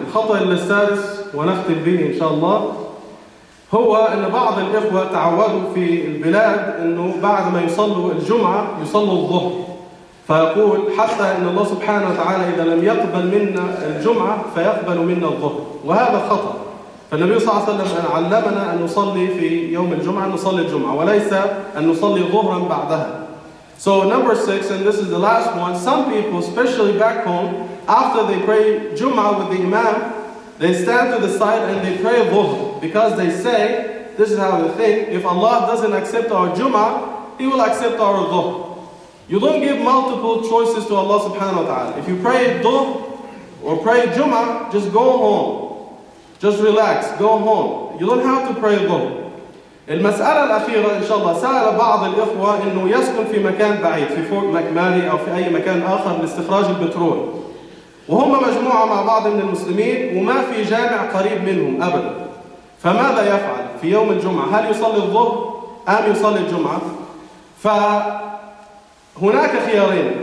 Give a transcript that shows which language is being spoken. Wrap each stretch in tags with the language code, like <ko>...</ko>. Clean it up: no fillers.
<ar>الخطأ السادس ونختم به إن شاء الله هو أن بعض الإخوة تعودوا في البلاد أنه بعد ما يصلوا الجمعة يصلوا الظهر فيقول حتى أن الله سبحانه وتعالى إذا لم يقبل منا الجمعة فيقبل منا الظهر وهذا خطأ. فالنبي صلى الله عليه وسلم علمنا أن نصلي في يوم الجمعة نصلي الجمعة وليس أن نصلي ظهرا بعدها.</ar> <en>So number six, and this is the last one, some people, especially back home, after they pray Jum'ah with the Imam, they stand to the side and they pray ظهر because they say, this is how they think, if Allah doesn't accept our Jum'ah, He will accept our ظهر. You don't give multiple choices to Allah subhanahu wa ta'ala. If you pray ظهر or pray Jum'ah, just go home. Just relax, go home. You don't have to pray ظهر.</en> <ar>المسألة الأخيرة إن شاء الله سأل بعض الإخوة إنه يسكن في مكان بعيد في فورت ماكماري أو في أي مكان آخر لاستخراج البترول. وهم مجموعة مع بعض من المسلمين وما في جامع قريب منهم أبدا. فماذا يفعل في يوم الجمعة؟ هل يصلي الظهر أم يصلي الجمعة؟ فهناك خيارين.</ar>